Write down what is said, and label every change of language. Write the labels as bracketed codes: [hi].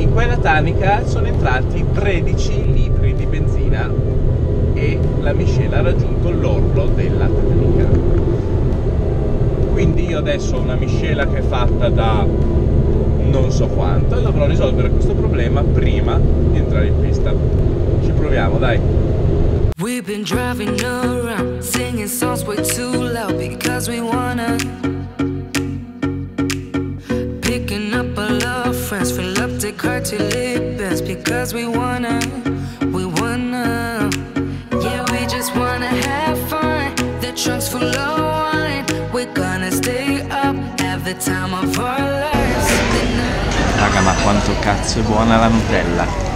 [it] In quella tanica sono entrati 13 litri di benzina e la miscela ha raggiunto l'orlo della tanica. Quindi io adesso ho una miscela che è fatta da non so quanto e dovrò risolvere questo problema prima di entrare in pista. Ci proviamo, dai! [en] We've been driving around, singing songs way too loud because we wanna. Picking up a love, friends, fill up the car to live best because we wanna. We wanna. Yeah, we just wanna have fun. The trunk's full of wine. We're gonna stay up, have the time of our lives. [it] Raga, ma quanto cazzo è buona la Nutella!